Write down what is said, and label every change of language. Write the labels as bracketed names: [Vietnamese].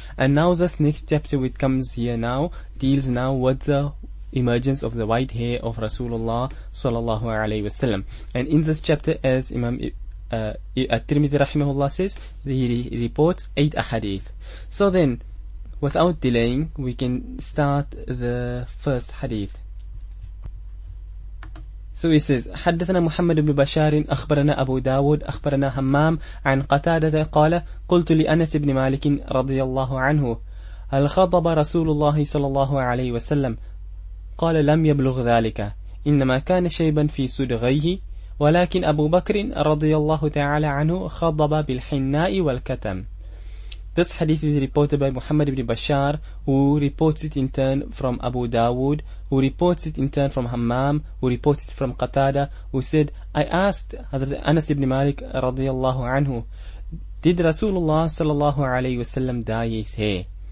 [English] And now this next chapter, which comes here now, deals now with the emergence of the white hair of Rasulullah sallallahu alayhi wa sallam. And in this chapter, as Imam At-Tirmidhi rahimahullah says, he reports 8 ahadith. So then, without delaying, we can start the first hadith. So he says, [Arabic] حدثنا محمد بن بشار أخبرنا أبو داود أخبرنا همام عن قتادة قال قلت لأنس بن مالك رضي الله عنه هل خضب رسول الله صلى الله عليه وسلم قال لم يبلغ ذلك إنما كان شيبا في صدغيه ولكن أبو بكر رضي الله تعالى عنه خضب بالحناء والكتم. [English] This hadith is reported by Muhammad ibn Bashar, who reports it in turn from Abu Dawood, who reports it in turn from Hammam, who reports it from Qatada, who said, I asked Hazrat Anas ibn Malik radiyallahu anhu, did Rasulullah sallallahu alayhi wasallam dye his hair?